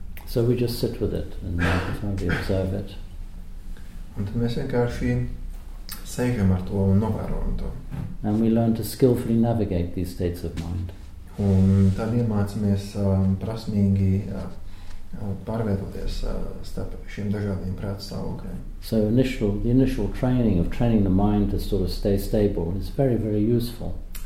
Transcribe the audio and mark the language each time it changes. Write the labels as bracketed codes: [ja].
[en] So we just sit with it and we observe it. [lv] Un tad mēs vienkārši sēžam ar to un novērojam to. [en] And we learn to skillfully navigate these states of mind. [lv] Un tad iemācamies prasmīgi pārvietoties starp šiem dažādiem prāta stāvokļiem. [en] So the initial training of training the mind to sort of stay stable is very, very useful.